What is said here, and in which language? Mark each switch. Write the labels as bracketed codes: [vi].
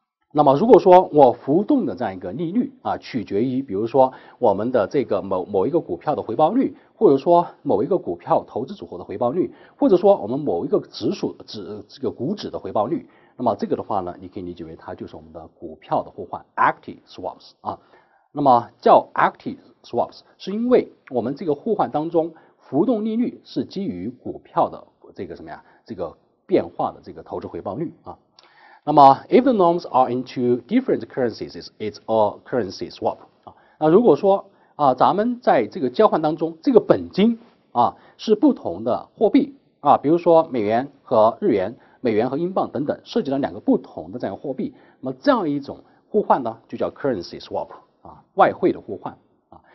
[zh] 那么如果说我浮动的这样一个利率啊，取决于比如说我们的这个某一个股票的回报率，或者说某一个股票投资组合的回报率，或者说我们某一个股指的回报率，那么这个的话呢，你可以理解为它就是我们的股票的互换 （active swaps） 啊。那么叫 active swaps，是因为我们这个互换当中，浮动利率是基于股票的这个什么呀？这个变化的这个投资回报率啊。 [en] 那么，if the loans are in two different currencies, it's a currency swap 啊。 [zh] 那如果说咱们在这个交换当中，这个本金啊是不同的货币啊，比如说美元和日元、美元和英镑等等，涉及到两个不同的这样货币，那么这样一种互换呢，就叫 currency swap 啊，外汇的互换啊。